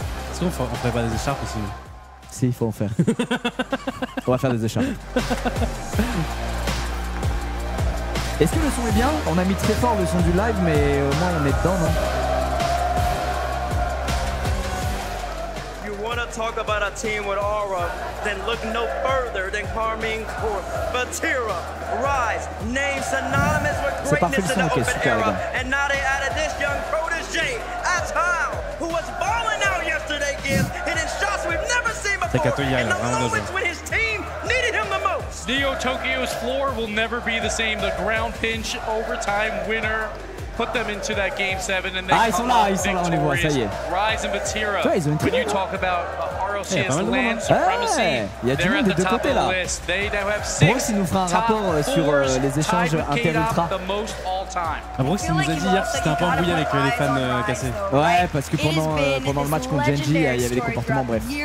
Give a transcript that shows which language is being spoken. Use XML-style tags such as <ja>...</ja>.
<fr>Est-ce qu'on ferait pas des écharpes aussi? Si, il faut en faire. On va faire des écharpes. Est-ce que le son est bien? On a mis très fort le son du live, mais au moins on est dedans, non?</fr> <en>You wanna talk about a team with aura? Then look no further than Carmine Corp. Batira, Rise, name synonymous with greatness in the open era. And now they added this young protege, Atal, who was balling out yesterday, Giz, hitting shots we've never seen before. In the moments when his team needed him the most. Neo Tokyo's floor will never be the same. The ground pinch overtime winner. Put them into that game 7 and they come out victorious. Rise and Batira. When you talk about ROCS land supremacy, they're at the top of the list. They now have 6 top fours tied with K-Dop the most all time.</en> <fr>Brooks il nous a dit hier que c'était un peu embrouillé avec les fans cassés. Ouais, parce que pendant le match contre Genji, il y avait des comportements, bref.</fr>